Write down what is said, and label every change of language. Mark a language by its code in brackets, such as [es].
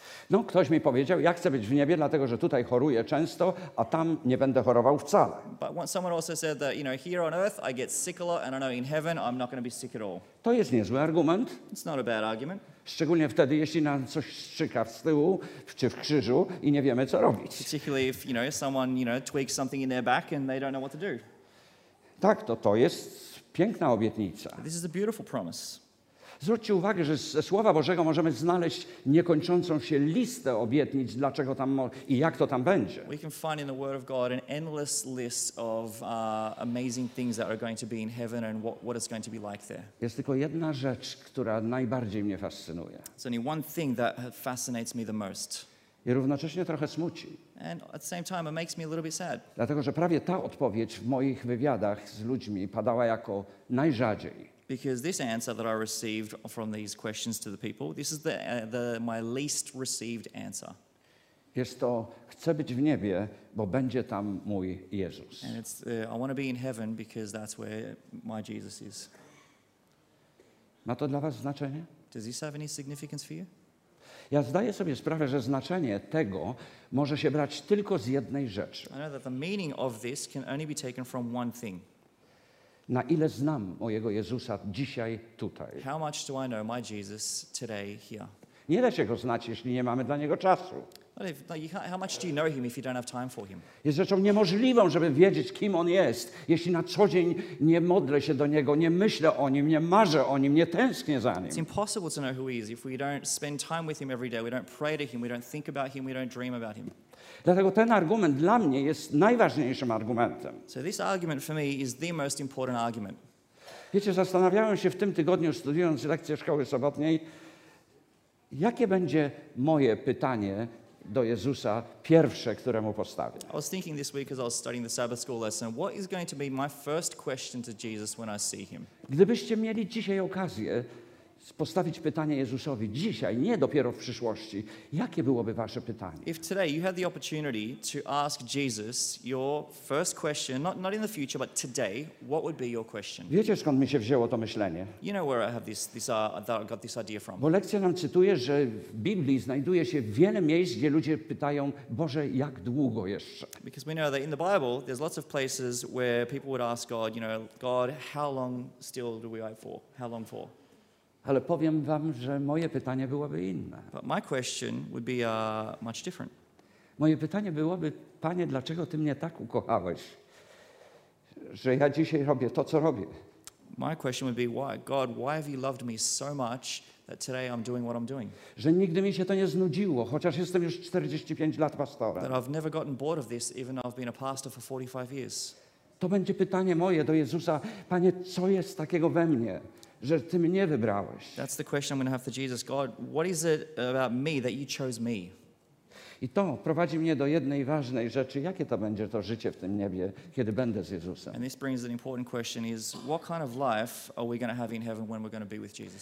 [pl] No, ktoś mi powiedział, ja chcę być w niebie, dlatego że tutaj choruję często, a tam nie będę chorował wcale. [en] But someone also said that, you know, here on earth I get sick a lot, and I know in heaven I'm not going to be sick at all. [pl] To jest niezły argument. [en] It's not a bad argument. [pl] Szczególnie wtedy, jeśli nam coś strzyka w tyłu, czy w krzyżu i nie wiemy, co robić. [en] Particularly if, you know, someone, you know, tweaks something in their back and they don't know what to do. [pl] Tak, to jest piękna obietnica. [en] This is a beautiful promise. [pl] Zwróćcie uwagę, że ze Słowa Bożego możemy znaleźć niekończącą się listę obietnic, dlaczego tam i jak to tam będzie. [en] We can find in the Word of God an endless list of amazing things that are going to be in heaven and what it's going to be like there. [pl] Jest tylko jedna rzecz, która najbardziej mnie fascynuje. [en] It's only one thing that fascinates me the most. [pl] I równocześnie trochę smuci. [en] And at the same time it makes me a little bit sad. [pl] Dlatego, że prawie ta odpowiedź w moich wywiadach z ludźmi padała jako najrzadziej. [en] Because this answer that I received from these questions to the people, this is the my least received answer. [pl] Jest to, chcę być w niebie, bo będzie tam mój Jezus. [en] And it's, I want to be in heaven because that's where my Jesus is. [pl] Ma to dla was znaczenie? [en] Does this have any significance for you? [pl] Ja zdaję sobie sprawę, że znaczenie tego może się brać tylko z jednej rzeczy. [en] I know that the meaning of this can only be taken from one thing. [pl] Na ile znam mojego Jezusa dzisiaj tutaj? [en] How much do I know my Jesus today here? [pl] Nie da się go znać, jeśli nie mamy dla niego czasu. [en] How much do you know him if you don't have time for him? [pl] Jest rzeczą niemożliwą, żeby wiedzieć, kim on jest, jeśli na co dzień nie modlę się do niego, nie myślę o nim, nie marzę o nim, nie tęsknię za nim. [en] It's impossible to know who he is if we don't spend time with him every day, we don't pray to him, we don't think about him, we don't dream about him. [pl] Dlatego ten argument dla mnie jest najważniejszym argumentem. [en] So this argument for me is the most important argument. [pl] Wiecie, zastanawiałem się w tym tygodniu, studiując lekcję szkoły sobotniej, jakie będzie moje pytanie do Jezusa, pierwsze, które mu postawię. [en] I was thinking this week as I was studying the Sabbath school lesson, what is going to be my first question to Jesus when I see him? [pl] Gdybyście mieli dzisiaj okazję postawić pytanie Jezusowi, dzisiaj, nie dopiero w przyszłości, jakie byłoby wasze pytanie? [en] If today you had the opportunity to ask Jesus your first question, not in the future, but today, what would be your question? [pl] Wiecie, skąd mi się wzięło to myślenie? [en] You know where I have that I got this idea from. [pl] Bo lekcja nam cytuje, że w Biblii znajduje się wiele miejsc, gdzie ludzie pytają, Boże, jak długo jeszcze? [en] Because we know that in the Bible, there's lots of places where people would ask God, you know, God, how long still do we wait for? How long for? [pl] Ale powiem wam, że moje pytanie byłoby inne. [en] But my question would be much different. [pl] Moje pytanie byłoby, Panie, dlaczego Ty mnie tak ukochałeś, że ja dzisiaj robię to, co robię? [en] My question would be, why? God, why have you loved me so much that today I'm doing what I'm doing? [pl] Że nigdy mi się to nie znudziło, chociaż jestem już 45 lat pastorem. [en] That I've never gotten bored of this, even though I've been a pastor for 45 years. [pl] To będzie pytanie moje do Jezusa, Panie, co jest takiego we mnie, że Ty mnie wybrałeś. [en] That's the question I'm going to have for Jesus. God, what is it about me that you chose me? [pl] I to prowadzi mnie do jednej ważnej rzeczy. Jakie to będzie to życie w tym niebie, kiedy będę z Jezusem? [en] And this brings an important question is, what kind of life are we going to have in heaven when we're going to be with Jesus?